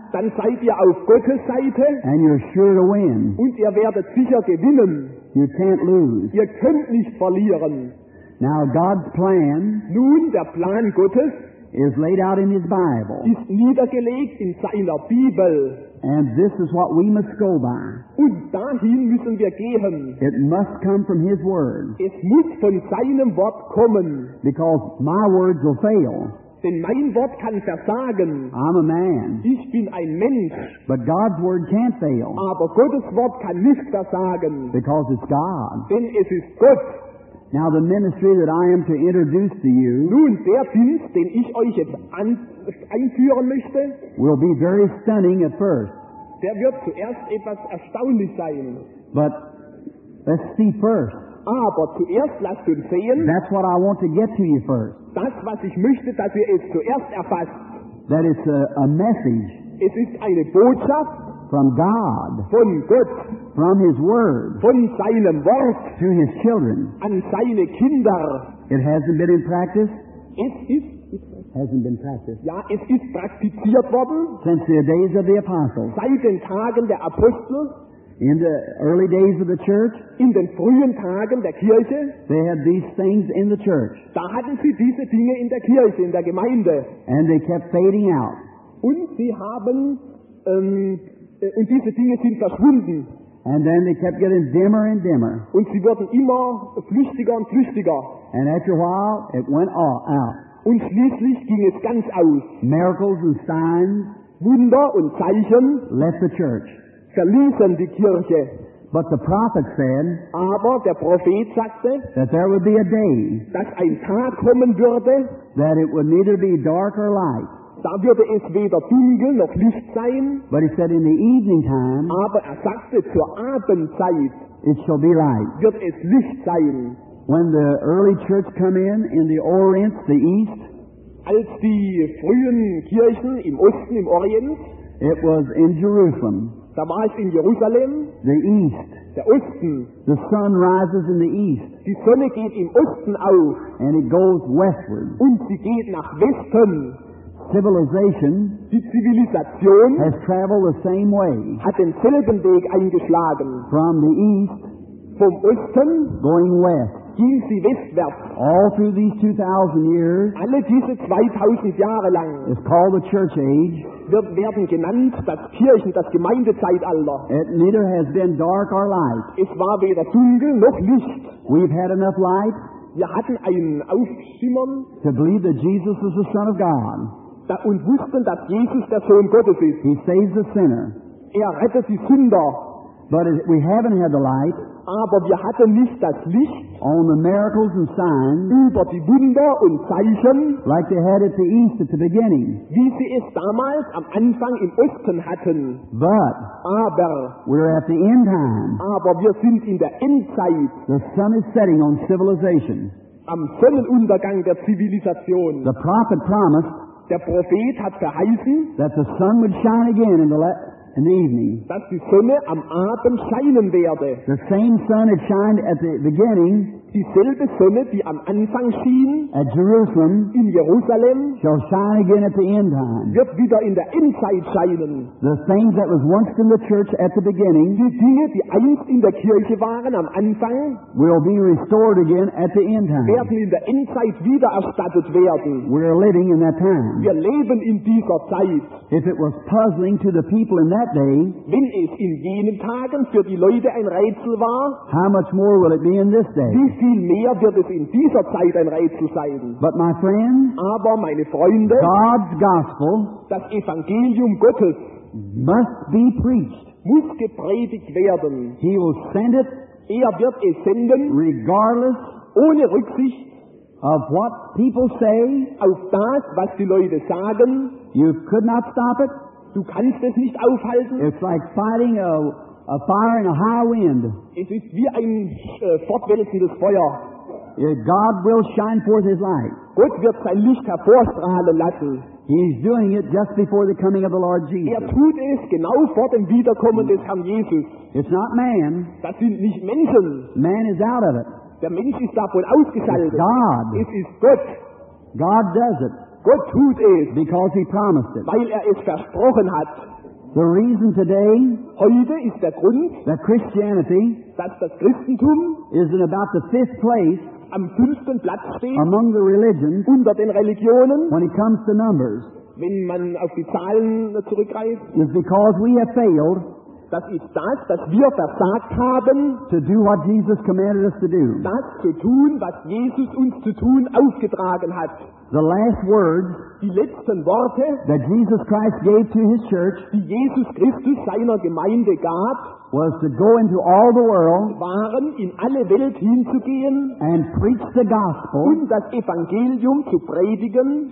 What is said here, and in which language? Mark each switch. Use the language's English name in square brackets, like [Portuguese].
[German] dann seid ihr auf Gottes Seite, [English] and you're sure to win. [German] Und ihr werdet sicher gewinnen. [English] You can't lose. [German] Ihr könnt nicht verlieren. [English] Now God's plan, [German] nun der Plan Gottes, [English] is laid out in His Bible. [German] Ist niedergelegt in seiner Bibel. [English] And this is what we must go by. [German] Und dahin müssen wir gehen. [English] It must come from His Word. [German] Es muss von seinem Wort kommen. [English] Because my words will fail. [German] Denn mein Wort kann versagen. [English] I'm a man. [German] Ich bin ein Mensch. [English] But God's Word can't fail. [German] Aber Gottes Wort kann nicht versagen. [English] Because it's God. [German] Denn es ist Gott. [English] Now the ministry that I am to introduce to you, [German] nun, der Dienst, den ich euch jetzt einführen möchte, [English] will be very stunning at first. [German] Der wird zuerst etwas erstaunlich sein. [English] But let's see first. [German] Aber zuerst lasst uns sehen. [English] That's what I want to get to you first. [German] Das, was ich möchte, dass ihr es zuerst erfasst. [English] That it's a message. [German] Es ist eine Botschaft. [English] From God. [German] Von Gott. [English] From His Word. [German] Von seinem Wort. [English] To His children. [German] An seine Kinder. [English] It hasn't been in practice. [German] Es ist. [English] Hasn't been practiced. [German] Ja, es ist praktiziert worden. [English] Since the days of the apostles. [German] Seit den Tagen der Apostel. [English] In the early days of the church. [German] In den frühen Tagen der Kirche. [English] They had these things in the church. [German] Da hatten sie diese Dinge in der Kirche, in der Gemeinde. [English] And they kept fading out. [German] Und sie haben und diese Dinge sind verschwunden. [English] And then they kept getting dimmer and dimmer. [German] Und sie wurden immer flüchtiger und flüchtiger. [English] And after a while, it went all out. [German] Und schließlich ging es ganz aus. [English] Miracles and signs, [German] Wunder und Zeichen, [English] left the church. [German] Verließen die Kirche. [English] But the prophet said, [German] aber der Prophet sagte, [English] that there would be a day, [German] dass ein Tag kommen würde, [English] that it would neither be dark or light. [German] Da würde es weder dunkel noch Licht sein. [English] But he said in the evening time, [German] aber er sagte zur Abendzeit, [English] it shall be light. [German] Wird es Licht sein. [English] When the early church come in the Orient, the East, [German] als die frühen Kirchen im Osten, im Orient, [English] it was in Jerusalem. [German] Da war es in Jerusalem. [English] The East. [German] Der Osten. [English] The sun rises in the east. [German] Die Sonne geht im Osten auf. [English] And it goes westward. [German] Und sie geht nach Westen. [English] Civilization, [German] die Zivilisation, [English] has traveled the same way. [German] Hat denselben Weg eingeschlagen. [English] From the east, [German] vom Osten, [English] going west, [German] ging sie westwärts. [English] All through these 2,000 years, [German] alle diese 2,000 Jahre lang, [English] is called the church age. [German] Wird werden genannt das Kirchen, das Gemeindezeitalter. [English] It neither has been dark or light. [German] Es war weder dunkel noch Licht. [English] We've had enough light. [German] Wir hatten ein Aufschimmern. [English] To believe that Jesus is the Son of God. [German] Und wussten, dass Jesus der Sohn Gottes ist. [English] He saves the sinner. [German] Er rettet die Sünder. [English] But we haven't had the light. [German] Aber wir hatten nicht das Licht. [English] On the miracles and signs. [German] Über die Wunder und Zeichen. [English] Like they had at the east at the beginning. [German] Wie sie es damals am Anfang im Osten hatten. [English] But. [German] Aber. [English] We're at the end time. [German] Aber wir sind in der Endzeit. [English] The sun is setting on civilization. [German] Am Sonnenuntergang der Zivilisation. [English] The prophet promised. [German] Der Prophet hat verheißen, [English] that the sun would shine again in the evening. [German] Dass die Sonne am Abend scheinen werde. [English] The same sun had shined at the beginning. [German] Dieselbe Sonne, die am Anfang schien, [English] at Jerusalem, [German] in Jerusalem, [English] shall shine again at the end time. [German] Wird wieder in der Endzeit scheinen. [English] The things that was once in the church at the beginning, [German] die Dinge, die einst in der Kirche waren am Anfang, [English] will be restored again at the end time. [German] Werden in der Endzeit wieder erstattet werden. [English] We're living in that time. [German] Wir leben in dieser Zeit. [English] If it was puzzling to the people in that day, [German] wenn es in jenen Tagen für die Leute ein Rätsel war, [English] how much more will it be in this day? [German] Viel mehr wird es in dieser Zeit ein Rätsel sein. [English] But my friend, [German] aber meine Freunde, [English] God's gospel, [German] das Evangelium Gottes, [English] must be preached. [German] Muss gepredigt werden. [English] He will send it, [German] er wird es senden, [English] regardless, [German] ohne Rücksicht, [English] of what people say, [German] auf das, was die Leute sagen. [English] You could not stop it. [German] Du kannst es nicht aufhalten. [English] It's like fighting a fire and a high wind. [German] Es ist wie ein fortwälzendes Feuer. [English] God will shine forth His light. [German] Gott wird sein Licht hervorstrahlen lassen. [English] He's doing it just before the coming of the Lord Jesus. [German] Er tut es genau vor dem Wiederkommen des Herrn Jesus. [English] It's not man. [German] Das sind nicht Menschen. [English] Man is out of it. [German] Der Mensch ist davon ausgeschaltet. [English] It's God. [German] Es ist Gott. [English] God does it. [German] Gott tut es. [English] Because He promised it. [German] Weil es versprochen hat. [English] The reason today, [German] heute ist der Grund, [English] that Christianity, [German] dass das Christentum, [English] is in about the fifth place, [German] am fünften Platz steht, [English] among the religions, [German] unter den Religionen, [English] when it comes to numbers, [German] wenn man auf die Zahlen zurückgreift, [English] is because we have failed, [German] das ist das, dass wir versagt haben, [English] to do what Jesus commanded us to do, [German] das zu tun, was Jesus uns zu tun aufgetragen hat. [English] The last words, [German] die letzten Worte, [English] that Jesus Christ gave to His church, [German] die Jesus Christus seiner Gemeinde gab, [English] was to go into all the world, [German] waren in alle Welt hinzugehen, [English] and preach the gospel, [German] und das Evangelium zu predigen,